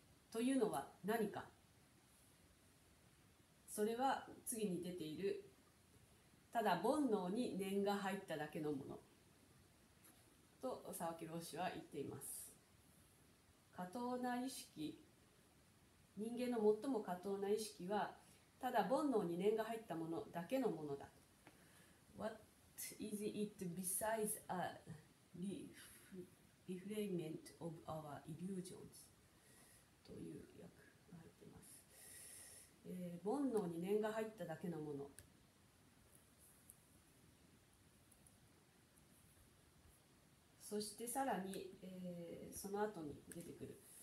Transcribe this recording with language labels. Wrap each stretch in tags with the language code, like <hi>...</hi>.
<ja>というのは何か、それは次に出ているただ煩悩に念が入っただけのものと沢木老師は言っています。過当な意識、人間の最も過当な意識はただ煩悩に念が入ったものだけのものだ。</ja> <en>What is it besides a refinement of our illusions?</en> <ja>という訳が入っています、煩悩に念が入っただけのもの。そしてさらに、その後に出てくる。</ja>